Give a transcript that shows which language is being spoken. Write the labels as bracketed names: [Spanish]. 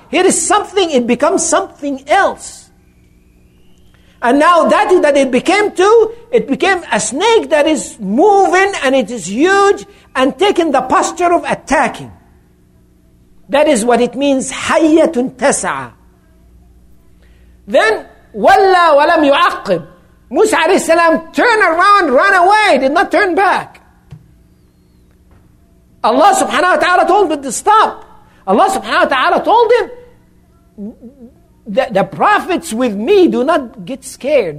[English] Here is something, it becomes something else. And now that is that it became to, it became a snake that is moving and it is huge and taking the posture of attacking. That is what it means, حَيَّةٌ تَسْعَى. [Arabic] Then, وَلَّا وَلَمْ يُعَقِّبْ. [English] Musa alayhi salam turned around, ran away, did not turn back. Allah subhanahu wa ta'ala told him to stop. Allah subhanahu wa ta'ala told him, The prophets with me, do not get scared.